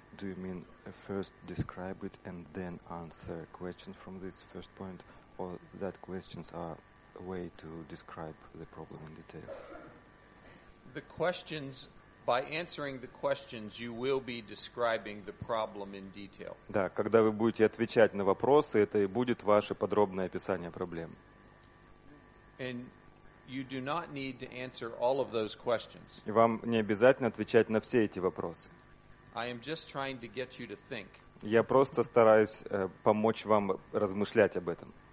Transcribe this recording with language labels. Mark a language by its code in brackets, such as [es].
[en] Do you mean first describe it and then answer questions from this first point, or that questions are a way to describe the problem in detail? The questions, by answering the questions, you will be describing the problem in detail. [ru] Да, когда вы будете отвечать на вопросы, это и будет ваше подробное описание проблемы. [en] And you do not need to answer all of those questions. [ru] И вам не обязательно отвечать на все эти вопросы. [en] I am just trying to get you to think. [ru] Я просто стараюсь помочь вам размышлять об этом.